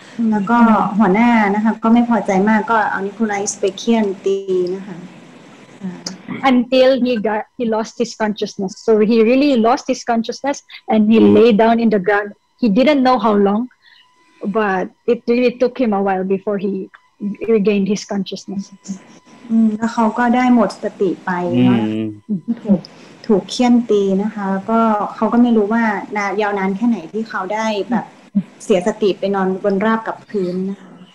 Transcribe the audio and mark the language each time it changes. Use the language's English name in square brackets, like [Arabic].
[Thai] แล้วก็หัวหน้านะคะก็ไม่พอใจมากก็เอานิโคไลสเปเคียนตีนะคะ [English] until he lost his consciousness so he really lost his consciousness and he lay down in the ground he didn't know how long but it really took him a while before he regained his consciousness [Thai] แล้วเขาก็ได้หมดสติไปนะถูกเคียนตีนะคะก็เขาก็ไม่รู้ว่านานยาวนานแค่ไหนที่เขาได้แบบเสียสติไปนอนบนราบกับพื้นนะคะ